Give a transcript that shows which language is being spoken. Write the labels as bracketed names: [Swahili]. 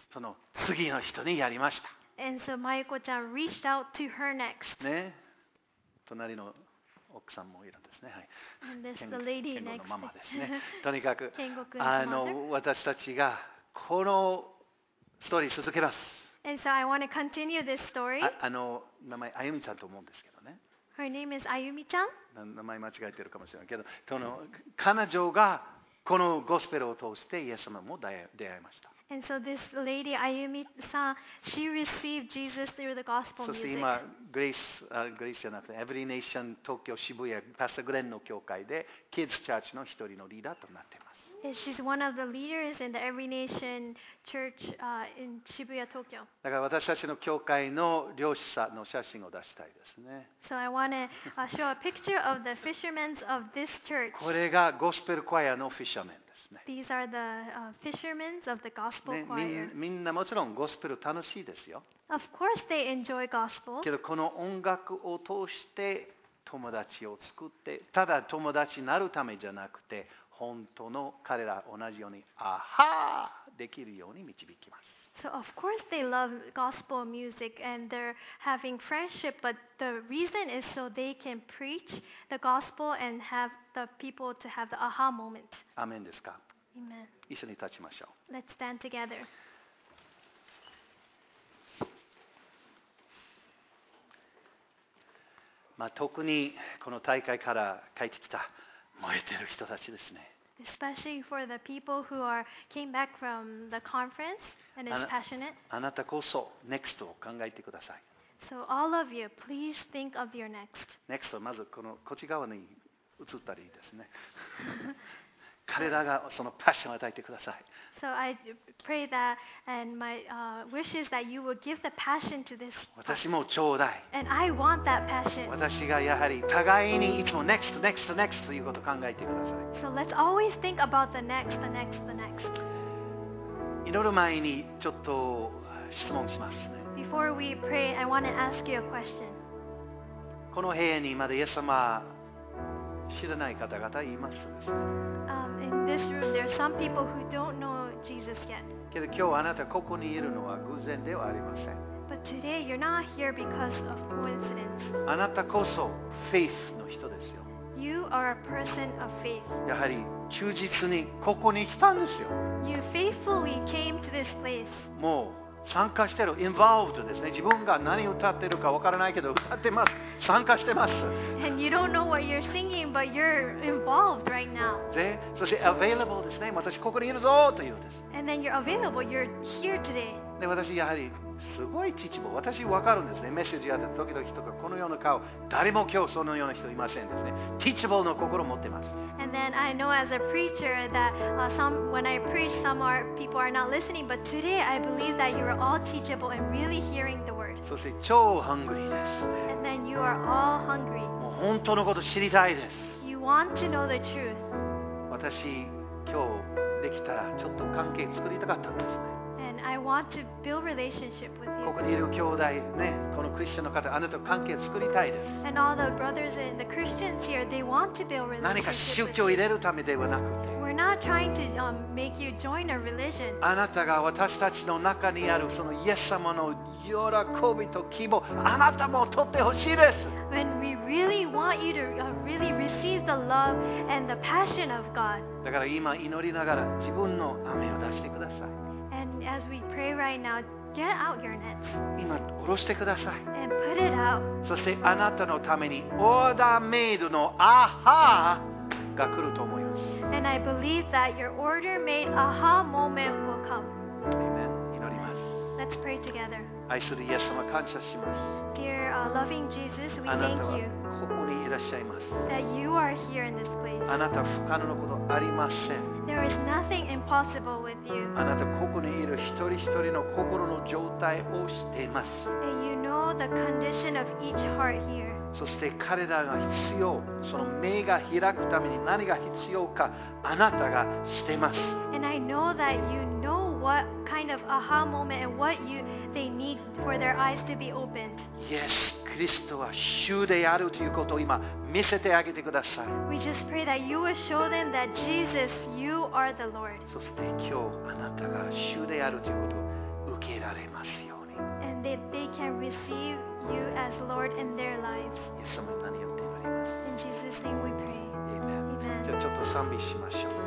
[Japanese] その次の人にやりました。 [English] And so Mayuko-chan reached out to her next. [Japanese] ね、隣の奥さんもいるんですね。はい。ケンゴのママですね。とにかく、あの私たちがこのストーリー続けます。 [English] And so I want to continue this story. [Japanese] あの名前あゆみちゃんと思うんですけどね。 [English] Her name is Ayumi-chan. [Japanese] 名前間違えてるかもしれないけど、その彼女がこのゴスペルを通してイエス様も出会いました。 [English] And so this lady Ayumi-san, she received Jesus through the gospel music. [Japanese] そして今グレイスじゃなくて、Every Nation 東京渋谷パスタグレンの教会で Kids Church の一人のリーダーとなっています。 [English] And she's one of the leaders in the Every Nation Church in Shibuya, Tokyo. [Japanese] だから私たちの教会の漁師さんの写真を出したいですね。 [English] So I want to show a picture of the fishermen of this church. [Japanese] これがゴスペルクワイアのフィッシャーメン。 [English] These are the fishermen of the gospel choir. [Japanese] みんなもちろんゴスペル楽しいですよ。 [English] Of course they enjoy gospel. [Japanese] けどこの音楽を通して友達を作って、ただ友達になるためじゃなくて、本当の彼ら同じようにアハーできるように導きます。 [English] So of course they love gospel music and they're having friendship, but the reason is so they can preach the gospel and have the people to have the aha moment. [Japanese] アメンですか? [English] Amen. [Japanese] 一緒に立ちましょう。 [English] Let's stand together. [Japanese] 特にこの大会から帰ってきた燃えてる人たちですね。 [English] Especially for the people who are came back from the conference and is passionate. [Japanese] あなたこそ next を考えてください。 [English] So all of you, please think of your next. [Japanese] Next をまずこのこっち側に移ったりですね。彼らがそのパッションを与えてください。 [English] So I pray that and my wish is that you will give the passion to this. [Japanese] 私もちょうだい。 [English] And I want that passion. [Japanese] 私がやはり互いにいつも next next next ということを考えてください。 [English] So let's always think about the next, the next, the next. [Japanese] 祈る前にちょっと質問しますね。 [English] Before we pray, I want to ask you a question. [Japanese] この部屋にまだイエス様知らない方々いますですね。 [English] In this room, there are some people who don't know Jesus yet. [Japanese] けど今日あなたここにいるのは偶然ではありません。 [English] But today, you're not here because of coincidence. [Japanese] あなたこそ faith の人ですよ。 [English] You are a person of faith. [Japanese] やはり忠実にここに来たんですよ。 [English] You faithfully came to this place. [Japanese] もう参加してる、involved ですね。自分が何歌ってるかわからないけど歌ってます。参加してます。 [English] And you don't know what you're singing, but you're involved right now. [Japanese] で、そして available ですね。私ここにいるぞというです。 [English] And then you're available. You're here today. [Japanese] で、私やはりすごい父も、私わかるんですね。メッセージやった時々人がこのような顔、誰も今日そのような人いませんですね。 Teachable の心を持ってます。 [English] And then I know as a preacher that when I preach, people are not listening. But today I believe that you are all teachable and really hearing the word. [Japanese] そして超 hungry です。 [English] And then you are all hungry. [Japanese] もう本当のこと知りたいです。 [English] You want to know the truth. [Japanese] 私今日できたらちょっと関係作りたかったんですね。 [English] I want to build relationship with you. [Japanese] ここにいる兄弟ね、このクリスチャンの方、あなたと関係を作りたいです。 [English] And all the brothers and the Christians here, they want to build relationship. [Japanese] 何か宗教を入れるためではなくて、 [English] we're not trying to make you join a religion. [Japanese] あなたが私たちの中にあるそのイエス様の喜びと希望、あなたも取ってほしいです。 [English] When we really want you to really receive the love and the passion of God. [Japanese] だから今祈りながら自分の雨を出してください。 [English] As we pray right now, get out your nets. [Japanese] 今下ろしてください。 [English] And put it out. [Japanese] そしてあなたのためにオーダーメイドのアハが来ると思います。 [English] And I believe that your order made aha moment will come. [Japanese] Amen. 祈ります。 [English] Let's pray together. [Japanese] 愛するイエス様、感謝します。 [English] Dear loving Jesus, we thank you. [Japanese] あなたはここにいらっしゃいます。 [English] That you are here in this place. [Japanese] あなたは不可能なことありません。 [English] There is nothing impossible with you. [Japanese] あなたはここにいる一人一人の心の状態を知っています。 [English] And you know the condition of each heart here. [Japanese] そして彼らが必要、その目が開くために何が必要か、あなたが知ってます。 [English] And I know that you know what kind of aha moment and what you, they need for their eyes to be opened. Yes, Christ is Lord [Japanese] であるということを今見せてあげてください。 [English] We just pray that you will show them that Jesus, you are the Lord. [Japanese] そして今日あなたが主であるということを受けられますように。 [English] And that they can receive. You as Lord in their lives. [Japanese] イエス様に何を祈ります [English] 。 In Jesus' name we pray. Amen. [Japanese] じゃあちょっと賛美しましょう。